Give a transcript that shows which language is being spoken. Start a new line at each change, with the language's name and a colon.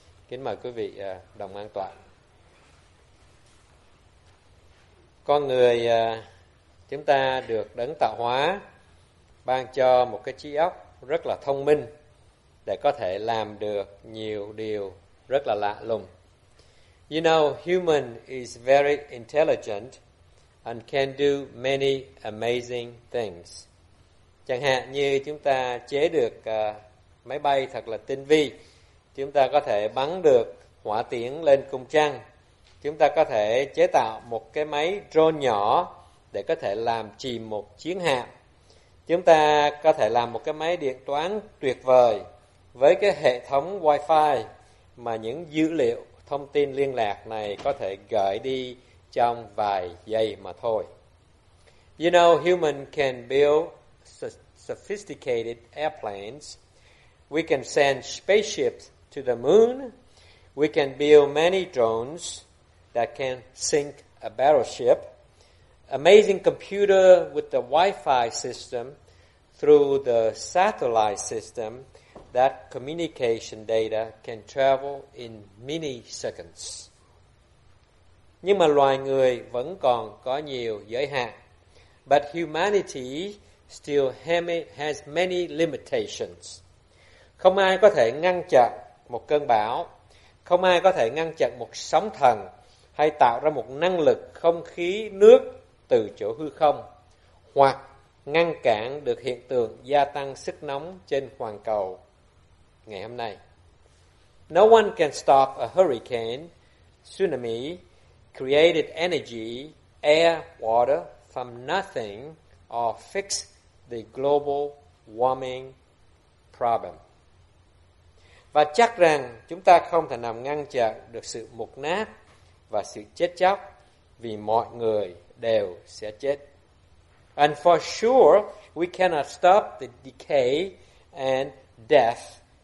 Vietnamese: Kính mời quý vị đồng an toàn. Con người chúng ta được đấng tạo hóa ban cho một cái trí óc rất là thông minh để có thể làm được nhiều điều rất là lạ lùng.
English: You know, human is very intelligent and can do many amazing things.
Vietnamese: Chẳng hạn như chúng ta chế được máy bay thật là tinh vi, chúng ta có thể bắn được hỏa tiễn lên cung trăng, chúng ta có thể chế tạo một cái máy drone nhỏ để có thể làm chìm một chiến hạm. Chúng ta có thể làm một cái máy điện toán tuyệt vời với cái hệ thống Wi-Fi mà những dữ liệu thông tin liên lạc này có thể gửi đi trong vài giây mà thôi.
English: You know, human can build sophisticated airplanes. We can send spaceships to the moon. We can build many drones that can sink a battleship. amazing computer with the Wi-Fi system through the satellite system, that communication data can travel in many seconds.
Vietnamese: Nhưng mà loài người vẫn còn có nhiều giới hạn.
English: But humanity still has many limitations.
Vietnamese: Không ai có thể ngăn chặn một cơn bão, không ai có thể ngăn chặn một sóng thần hay tạo ra một năng lực không khí nước từ chỗ hư không, hoặc ngăn cản được hiện tượng gia tăng sức nóng trên hoàn cầu ngày hôm nay.
English: No one can stop a hurricane, tsunami, created energy, air, water from nothing, or fix the global warming problem.
Vietnamese: Và chắc rằng chúng ta không thể nào ngăn chặn được sự mục nát và sự chết chóc, vì mọi người đều sẽ chết.
English: And for sure, we cannot stop the decay and death.